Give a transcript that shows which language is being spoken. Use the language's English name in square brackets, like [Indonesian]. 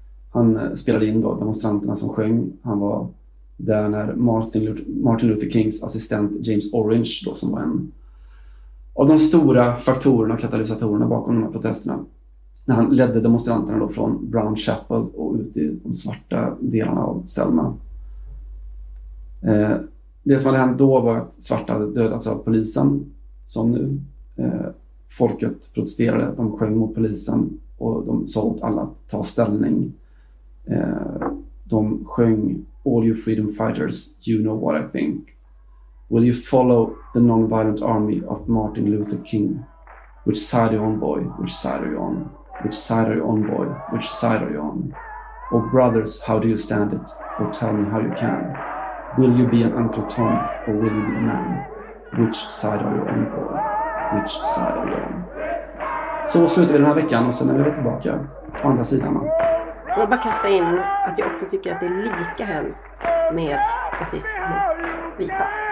[Swedish] Han spelade in då demonstranterna som sjöng. Han var där när Martin Luther Kings assistent James Orange då, som var en av de stora faktorerna och katalysatorerna bakom de här protesterna, när han ledde demonstranterna då från Brown Chapel och ut i de svarta delarna av Selma. Det som hade hänt då var att svarta hade dödats av polisen, som nu. Folket protesterade, de sjöng mot polisen och de sa åt alla att ta ställning. De sjöng [English] "All you freedom fighters, you know what I think. Will you follow the non-violent army of Martin Luther King? Which side are you on, boy? Which side are you on? Which side are you on, boy? Which side are you on? Oh brothers, how do you stand it? Or tell me how you can. Will you be an Uncle Tom or will you be a man? Which side are you on, boy? Which side are you on?" [Swedish] Så slutar vi den här veckan och sen är vi tillbaka på andra sidan. Man. Får jag bara kasta in att jag också tycker att det är lika hemskt med rasism mot vita.